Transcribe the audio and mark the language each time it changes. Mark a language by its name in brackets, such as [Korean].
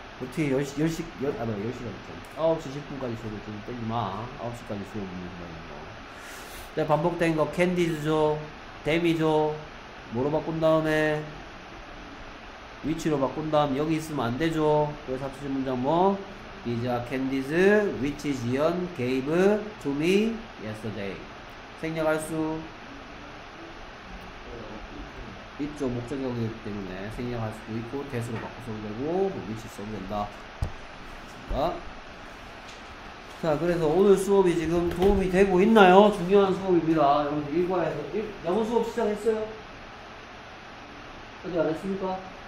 [Korean] 어떻게 9시 10분까지 수업했지 때리지 마. 9시까지 수업 있는 거. 네, 반복된 거 캔디즈죠, 데미죠. 뭐로 바꾼 다음에 위치로 바꾼 다음 여기 있으면 안 되죠. 그래서 합치신 문장 뭐? [English] These are candies which Jion gave to me yesterday. [Korean] 생략할 수 있죠. 목적격이기 때문에 생략할 수도 있고 대수로 바꿔서도 되고 which 써도 된다. 됐습니까? 자, 그래서 오늘 수업이 지금 도움이 되고 있나요? 중요한 수업입니다. 여러분들 일과에서 영어 수업 시작했어요? 어디 안 했습니까?